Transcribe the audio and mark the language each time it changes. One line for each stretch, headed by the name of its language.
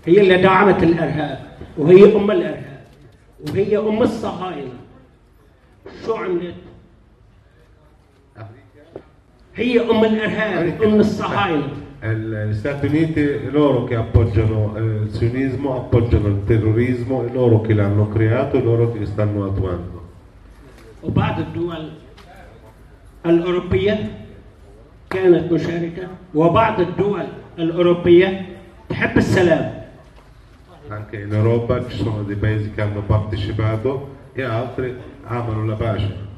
Arabic: وهي أم الإرهاب وهي أم الصهاينة شو عملت؟ هي أم الإرهاب أم الصهاينة.
Italian: الستات نيتي loro che appoggiano il sionismo, appoggiano il terrorismo e loro che l'hanno creato e loro che stanno attuando.
Arabic: وبعض الدول الأوروبية كانت مشاركة وبعض الدول الأوروبية تحب السلام.
Italian: Anche in Europa ci sono dei paesi che hanno partecipato e altri amano la pace.